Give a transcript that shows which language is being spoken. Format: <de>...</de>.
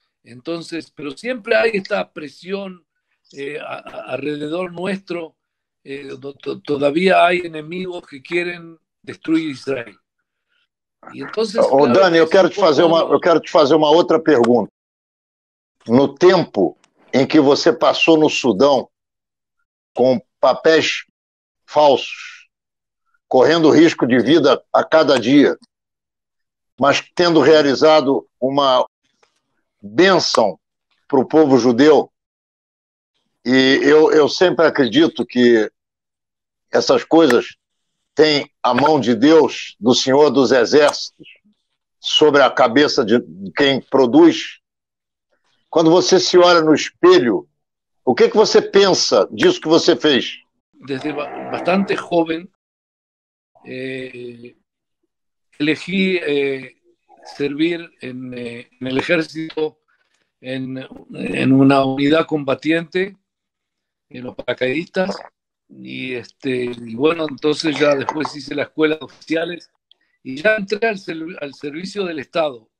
<es>Entonces, pero siempre hay esta presión alrededor nuestro. Todavía hay enemigos que quieren destruir Israel. E entonces, Ô, claro,</es> <pt>Dani, eu quero te fazer uma outra pergunta. No tempo em que você passou no Sudão com papéis falsos, correndo risco de vida a cada dia, mas tendo realizado uma bênção para o povo judeu, e eu sempre acredito que essas coisas tem a mão de Deus, do Senhor dos Exércitos, sobre a cabeça de quem produz. Quando você se olha no espelho, o que que você pensa disso que você fez?</pt> <es>Desde bastante joven elegí servir en el ejército en una unidad combatiente en los paracaidistas y bueno, entonces ya después hice la escuela de oficiales y ya entré al servicio del Estado.</es>